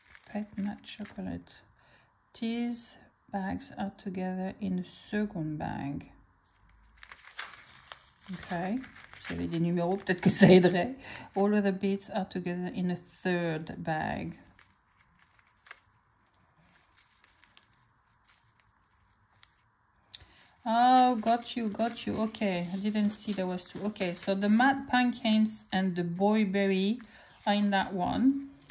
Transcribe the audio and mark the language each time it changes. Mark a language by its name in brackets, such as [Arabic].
[English] Pet nut chocolate. These bags are together in a second bag. Okay. [French] J'avais des numéros, peut-être que ça aiderait. [English] All of the beads are together in a third bag. Oh, got you. Okay, I didn't see there was two. Okay, so the matte pumpkins and the boyberry are in that one.